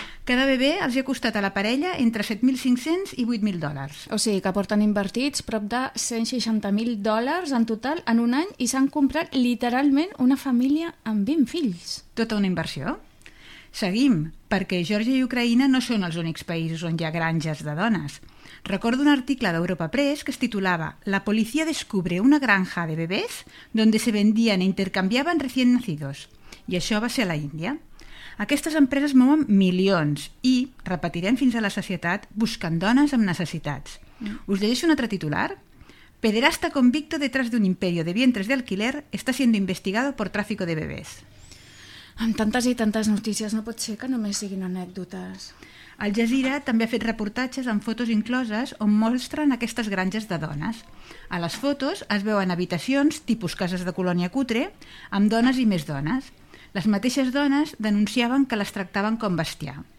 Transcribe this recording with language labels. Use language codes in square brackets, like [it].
[ca] Cada bebè els hi ha costat a la parella entre 7.500 i 8.000 dòlars. O sigui que porten invertits prop de 160.000 dòlars en total en un any i s'han comprat literalment una família amb 20 fills. Tota una inversió. Seguim, perquè Geòrgia i Ucraïna no són els únics països on hi ha granges de dones. Recordo un article d'Europa Press que es titulava [es] «La policia descubre una granja de bebès donde se vendían e intercambiaban recién nacidos». [ca] I això va ser a la Índia. Aquestes empreses mouen milions i, repetirem fins a la societat, busquen dones amb necessitats. Us llegeixo un altre titular? [es] «Pederasta convicto detrás de un imperio de vientres de alquiler está siendo investigado por tráfico de bebés». [ca] Amb tantes i tantes notícies no pot ser que només siguin anècdotes. Al Jazeera també ha fet reportatges amb fotos incloses on mostren aquestes granges de dones. A les fotos es veuen habitacions, tipus cases de colònia cutre, amb dones i més dones. Les mateixes dones denunciaven que les tractaven com bestiar.